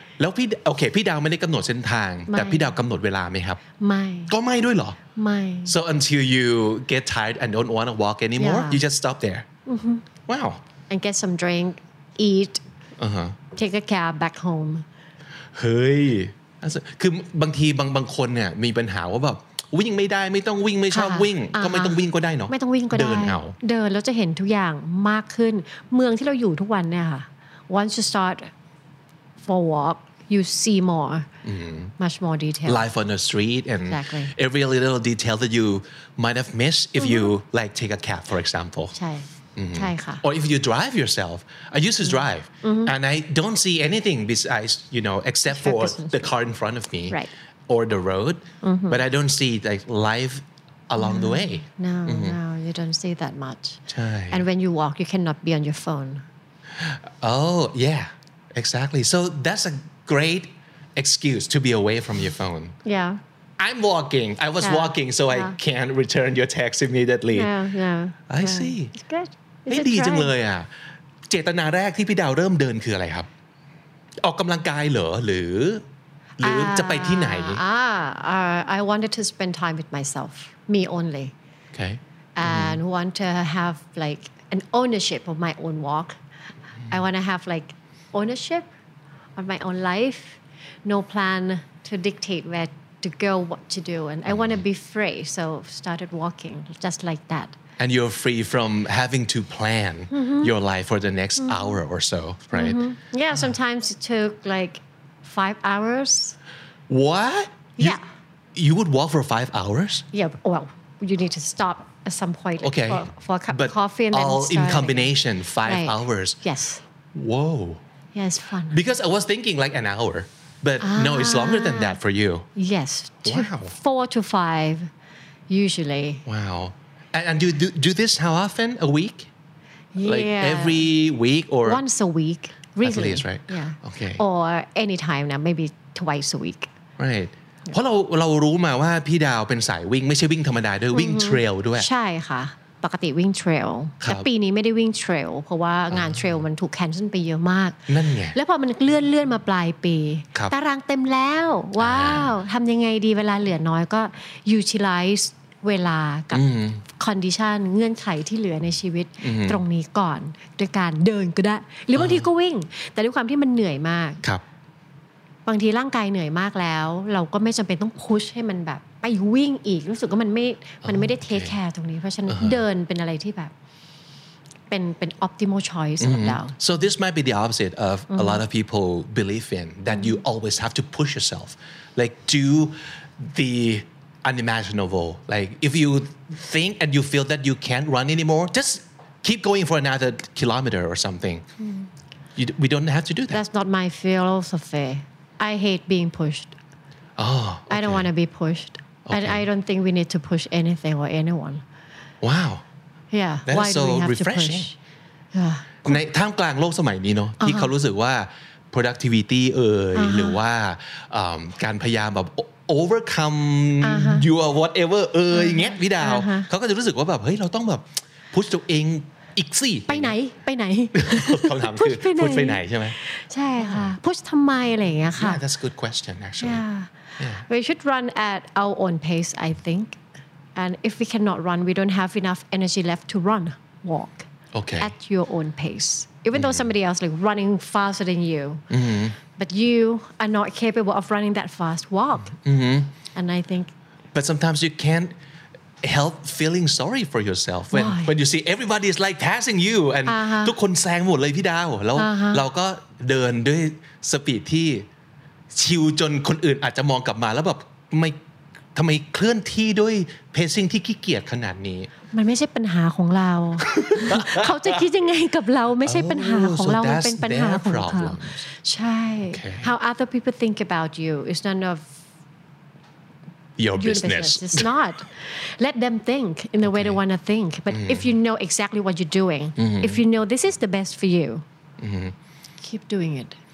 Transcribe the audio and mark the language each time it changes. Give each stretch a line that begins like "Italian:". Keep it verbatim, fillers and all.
Thai: แล้วพี่โอเคพี่ดาวไม่ได้กำหนดเส้นทางแต่พี่ดาวกำหนดเวลาไหมครับ ไม่ ก็ไม่ด้วยเหรอ ไม่
English: so until you get tired and don't want to walk anymore you just stop there wow and get some drink eat Uh-huh. Take a cab back home.
Thai: เฮ้ยคือบางทีบางบางคนเนี่ยมีปัญหาว่าแบบวิ่งไม่ได้ไม่ต้องวิ่งไม่ชอบวิ่งก็ไม่ต้องวิ่งก็ได้เนาะ ไม่ต้องวิ่งก็ได้ เดินเอา เดินแล้วจะเห็นทุกอย่างมากขึ้นเมืองที่เราอยู่ทุกวันเนี่ยค่ะ
English: Once you start for walk you see more much more detail. Life on the street and exactly. every little detail that you might have missed if you like take a cab for example.
Thai: ใช่ ใช่ค่ะ
English: or if you drive yourself I used to drive and I don't see anything besides you know except for the car in front of me right. or the road but I don't see like life along the way no no you don't see that much
Thai: ใช่
English: and when you walk you cannot be on your phone oh yeah exactly so that's a great excuse to be away from your phone yeah I'm walking. I was yeah. walking, so yeah. I can't return your text immediately. Yeah, yeah. I yeah. see. It's good. It's
Thai: เฮ้ยดีจังเลยอ่ะเจตนาแรกที่พี่ดาวเริ่มเดินคืออะไรครับออกกำลังกายเหรอหรือหรือจะไปที่ไหน
English: Ah, uh, I wanted to spend time with myself, me only. Okay. And mm-hmm. want to have like an ownership of my own walk. Mm-hmm. I want to have like ownership of my own life. No plan to dictate where. to go what to do and I want to be free so started walking just like that and you're free from having to plan mm-hmm. your life for the next mm-hmm. hour or so right mm-hmm. yeah sometimes it took like five hours what yeah you, you would walk for five hours yeah well you need to stop at some point okay for, for a cup but of coffee and then all start in combination again. five right. hours yes whoa yeah it's fun because I was thinking like an hour but ah. no it's longer than that for you yes two, wow. four to five usually wow and, and do, do do this how often a week yeah. like every week or once a week at least right yeah okay or anytime now maybe twice a week right
Thai: เพราะเราเรารู้มาว่าพี่ดาวเป็นสายวิ่งไม่ใช่วิ่งธรรมดาด้วยวิ่งเทรลด้วย ใช่ค่ะปกติวิ่งเทรลแต่ปีนี้ไม่ได้วิ่งเทรลเพราะว่างานเทรลมันถูกแคนเซิลไปเยอะมาก นั่นไง แล้วพอมันเลื่อนเลื่อนมาปลายปี ครับ ตารางเต็มแล้วว้าวทำยังไงดีเวลาเหลือน้อยก็ utilize เวลากับ condition เงื่อนไขที่เหลือในชีวิตตรงนี้ก่อนโดยการเดินก็ได้หรือบางทีก็วิ่งแต่ด้วยความที่มันเหนื่อยมาก ครับ บางทีร่างกายเหนื่อยมากแล้วเราก็ไม่จำเป็นต้องพุชให้มันแบบไปวิ่งอีกรู้สึกว่ามันไม่มันไม่ได้เทคแคร์ตรงนี้เพราะฉะนั้นเดินเป็นอะไรที่แบบเป็นเป็น
English: optimal choice
Thai: สำหรับเรา
English: so this might be the opposite of a lot of people believe in that you always have to push yourself like do the unimaginable like if you think and you feel that you can't run anymore just keep going for another kilometer or something you, we don't have to do that that's not my philosophy I hate being pushed. Oh, okay. I don't want to be pushed. Okay. And I don't think we need to push anything or anyone. Wow. Yeah. That Why is do so we have refreshing. to push? Yeah.
Thai: ในท่ามกลางโลกสมัยนี้เนอะที่เขารู้สึกว่า productivity เอ่ยหรือว่าการพยายามแบบ
English: overcome your whatever
Thai: เอ่ยเงี้ยพี่ดาวเขาก็จะรู้สึกว่าแบบเฮ้ยเราต้องแบบ push ตัวเองอีกสิ ไปไหนไปไหน คำถามคือ push ไปไหนใช่ไหม ใช่ค่ะ push ทำไมอะไรอย่างเงี้ยค่ะ
English: yeah, that's a good question actually yeah. Yeah. we should run at our own pace I think and if we cannot run we don't have enough energy left to run walk okay. at your own pace even mm-hmm. though somebody else like running faster than you mm-hmm. but you are not capable of running that fast walk mm-hmm. and I think but sometimes you can't help feeling sorry for yourself when Why? when you see everybody is like passing you and uh-huh.
Thai: ทุกคนแซงหมดเลยพี่ดาวแล้ว
English: uh-huh.
Thai: เราก็เดินด้วยสปีดที่ชิลจนคนอื่นอาจจะมองกลับมาแล้วแบบไม่ทำไมเคลื่อนที่ด้วยเพซซิ่งที่ขี้เกียจขนาดนี้ มันไม่ใช่ปัญหาของเรา เขาจะคิดยังไงกับเราไม่ใช่ปัญหาของเรา
English: so
Thai: มันเป็นปัญหาของเขา
English: problem.
Thai: ใช่
English: okay. how other people think about you is none of your business. It's not. Let them think in the way they want to think. But if you know exactly what you're doing, if you know this is the best for you, keep doing it.